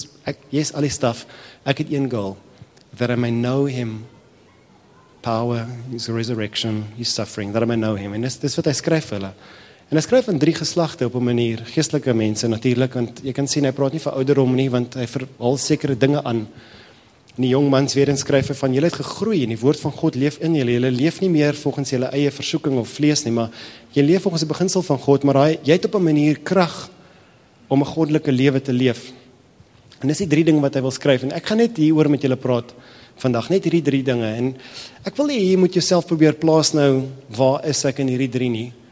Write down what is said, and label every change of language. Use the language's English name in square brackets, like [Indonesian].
[Afrikaans] Ek het een goal, [English] that I may know him, power, his resurrection, his suffering, that I may know him. [Afrikaans] En dis wat hy skryf vir hulle. En hy skryf in drie geslagte op 'n manier, geestelike mense natuurlik, want jy kan sien, hy praat nie van ouderdom nie, want hy verhaal sekere dinge aan. En die jongmans weer in skryf van, julle het gegroei en die woord van God leef in julle, julle leef nie meer volgens julle eie versoeking of vlees nie, maar jy leef volgens die beginsel van God, maar jy het op 'n manier krag om 'n goddelike lewe te leef. En dis die drie dinge wat hy wil skryf. En ek gaan net hier oor met julle praat vandag. Net hierdie drie dinge. En ek wil hier moet jouself probeer plaas nou, waar is ek in hierdie drie nie?